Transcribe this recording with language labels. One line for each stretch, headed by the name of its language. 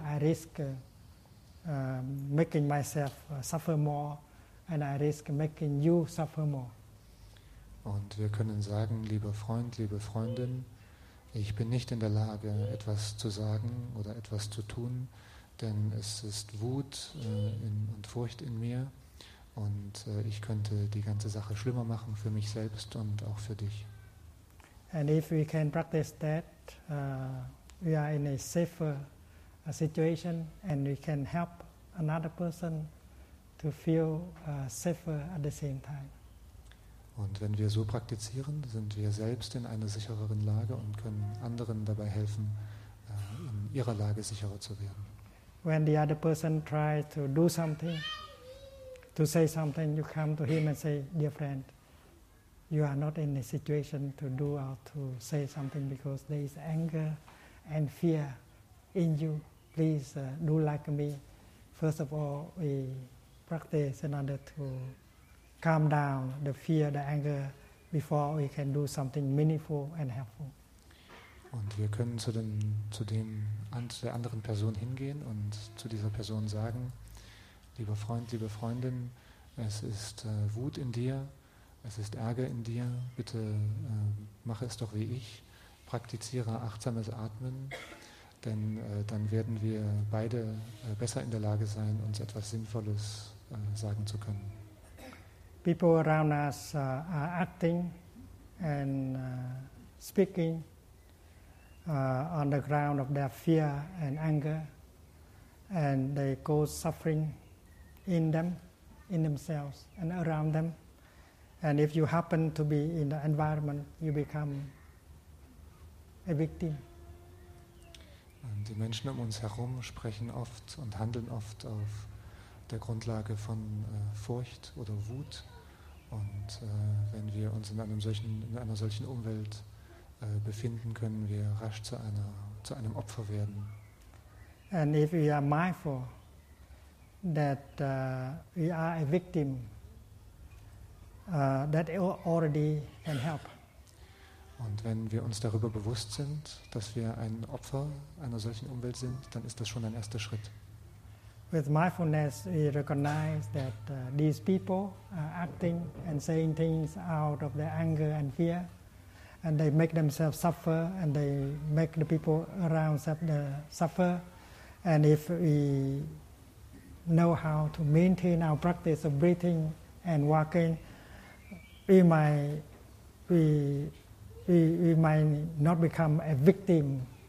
English: I risk making myself suffer more, and I risk making you suffer more.
German: Und wir können sagen, lieber Freund, liebe Freundin, ich bin nicht in der Lage, etwas zu sagen oder etwas zu tun, denn es ist Wut und Furcht in mir, und ich könnte die ganze Sache schlimmer machen für mich selbst und auch für dich.
English: And if we can practice that, we are in a safer situation, and we can help another person to feel safer at the same time.
German: Und wenn wir so praktizieren, sind wir selbst in einer sichereren Lage und können anderen dabei helfen, in ihrer Lage sicherer zu werden.
English: When the other person tries to do something, to say something, you come to him and say, dear friend, you are not in a situation to do or to say something because there is anger and fear in you. Please do like me. First of all, we practice in order to calm down the fear, the anger, before we can do something meaningful and helpful.
German: Und wir können zu der anderen Person hingehen und zu dieser Person sagen, lieber Freund, liebe Freundin, es ist Wut in dir, es ist Ärger in dir, bitte mache es doch wie ich, praktiziere achtsames Atmen, denn dann werden wir beide besser in der Lage sein, uns etwas Sinnvolles sagen zu können.
English: People around us are acting and speaking on the ground of their fear and anger, and they cause suffering in them, in themselves, and around them. And if you happen to be in the environment, you become a victim.
German: Und die Menschen um uns herum sprechen oft und handeln oft auf der Grundlage von Furcht oder Wut. Und wenn wir uns in einer solchen Umwelt befinden, können wir rasch zu einem Opfer werden.
English: And if we are mindful that we are a victim, that already can help.
German: Und wenn wir uns darüber bewusst sind, dass wir ein Opfer einer solchen Umwelt sind, dann ist das schon ein erster Schritt.
English: With mindfulness, we recognize that these people are acting and saying things out of their anger and fear, and they make themselves suffer, and they make the people around them suffer. And if we know how to maintain our practice of breathing and walking, we might not become a victim.